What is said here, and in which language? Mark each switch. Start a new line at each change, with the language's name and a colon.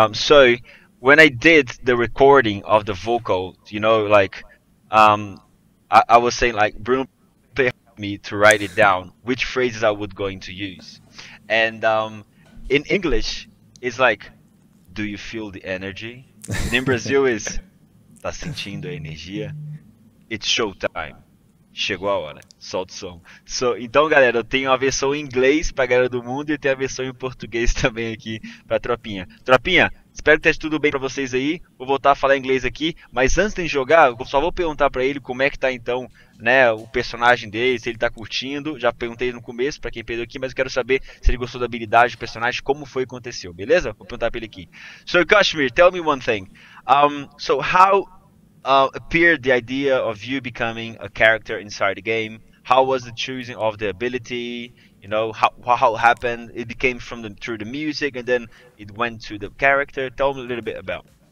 English: So when I did the recording of the vocal, you know, like I was saying, like Bruno helped me to write it down which phrases I was going to use, and in English it's like, "Do you feel the energy?" And in Brazil is
Portuguese: "Tá sentindo a energia?"
English: It's showtime.
Portuguese: Chegou a hora, solta o som. So, então, galera, eu tenho a versão em inglês pra galera do mundo e tenho a versão em português também aqui pra tropinha. Tropinha, espero que esteja tudo bem pra vocês aí. Vou voltar a falar inglês aqui, mas antes de jogar, eu só vou perguntar pra ele como é que tá então, né, o personagem dele, se ele tá curtindo. Já perguntei no começo pra quem perdeu aqui, mas eu quero saber se ele gostou da habilidade do personagem, como foi que aconteceu, beleza? Vou perguntar pra ele aqui.
English: So, Kashmir, tell me one thing. So, how appeared the idea of you becoming a character inside the game? How was the choosing of the ability? You know, how happened? It became from the through the music, and then it went to the character. Tell me a little bit about.